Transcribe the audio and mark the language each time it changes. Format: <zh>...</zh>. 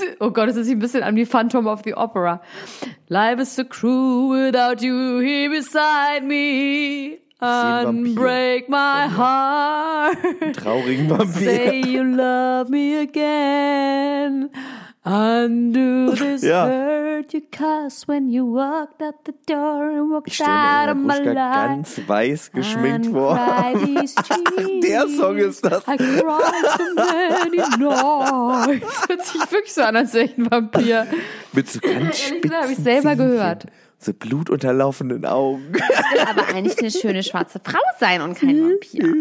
<de>Oh Gott, es ist ein bisschen an wie Phantom of the Opera.</de> <en>Life is so cruel without you here beside me. Unbreak my heart.</en> <de>Ein traurigen Vampir.</de> <en>Say you love me again. Undo this hurt you cause when you walked out the door and walked out of my life.</en> <de>Ich stelle mir ganz weiß geschminkt vor. Der Song ist das.</de> <en>I cry so many noise.</en> <de>Hört sich wirklich so an, als wäre ich ein Vampir. Mit so ganz spitzen habe ich selber gehört. So blutunterlaufenden Augen. Ich will aber eigentlich eine schöne schwarze Frau sein und kein Vampir.</de>